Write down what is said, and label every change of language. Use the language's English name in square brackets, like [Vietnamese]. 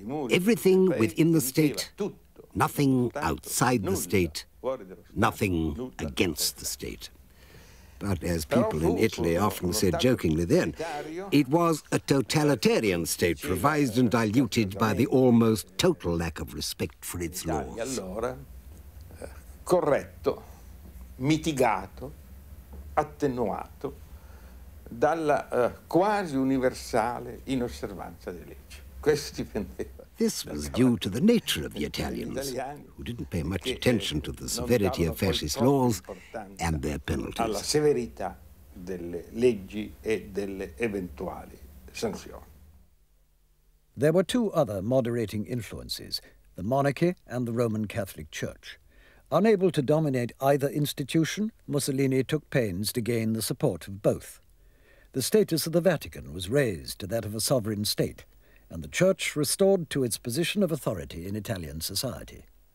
[English] Everything within the state, nothing outside the state, nothing against the state. But as people in Italy often said jokingly then, it was a totalitarian state revised and diluted by the almost total lack of respect for its laws. [Italian] Corretto, mitigato, attenuato dalla quasi universale inosservanza delle leggi. Questo dipendeva. [English] This was due to the nature of the Italians, who didn't pay much attention to the severity of fascist laws and their penalties. [Italian] Alla severità delle leggi e delle eventuali sanzioni. [English] There were two other moderating influences, the monarchy and the Roman Catholic Church. Unable to dominate either institution, Mussolini took pains to gain the support of both. The status of the Vatican was raised to that of a sovereign state, and the church restored to its position of authority in Italian society.